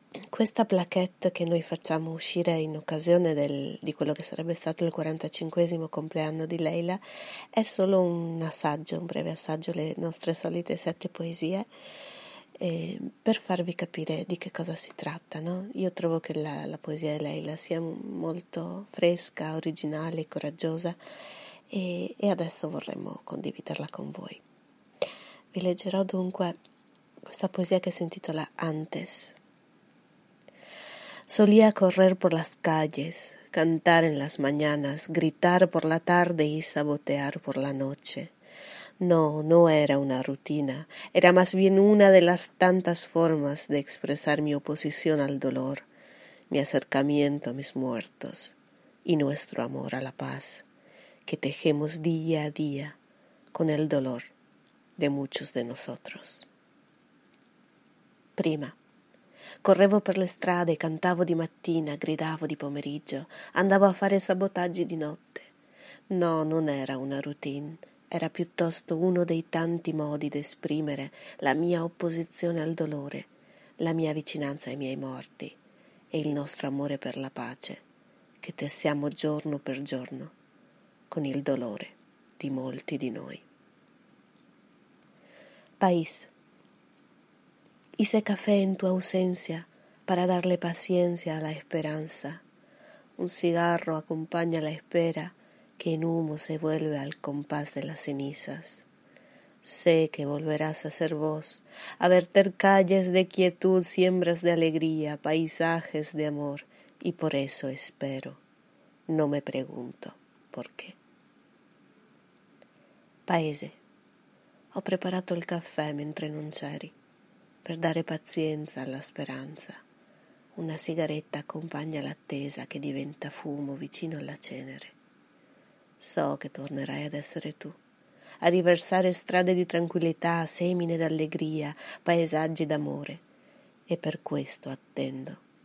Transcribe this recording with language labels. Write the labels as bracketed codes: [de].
[it] Questa plaquette che noi facciamo uscire in occasione di quello che sarebbe stato il 45esimo compleanno di Leila è solo un assaggio, un breve assaggio, le nostre solite sette poesie per farvi capire di che cosa si tratta, no? Io trovo che la poesia di Leila sia molto fresca, originale, coraggiosa e adesso vorremmo condividerla con voi. Vi leggerò dunque questa poesia che si intitola Antes. [es] Solía correr por las calles, cantar en las mañanas, gritar por la tarde y sabotear por la noche. No, no era una rutina, era más bien una de las tantas formas de expresar mi oposición al dolor, mi acercamiento a mis muertos y nuestro amor a la paz, que tejemos día a día con el dolor de muchos de nosotros. [it] Prima. Correvo per le strade, cantavo di mattina, gridavo di pomeriggio, andavo a fare sabotaggi di notte. No, non era una routine, era piuttosto uno dei tanti modi d'esprimere la mia opposizione al dolore, la mia vicinanza ai miei morti e il nostro amore per la pace, che tessiamo giorno per giorno con il dolore di molti di noi. [es] País. Hice café en tu ausencia para darle paciencia a la esperanza. Un cigarro acompaña la espera que en humo se vuelve al compás de las cenizas. Sé que volverás a ser vos, a verter calles de quietud, siembras de alegría, paisajes de amor, y por eso espero. No me pregunto por qué. [it] Paese, ho preparato il caffè mentre non c'eri. Per dare pazienza alla speranza, una sigaretta accompagna l'attesa che diventa fumo vicino alla cenere. So che tornerai ad essere tu, a riversare strade di tranquillità, semine d'allegria, paesaggi d'amore, e per questo attendo.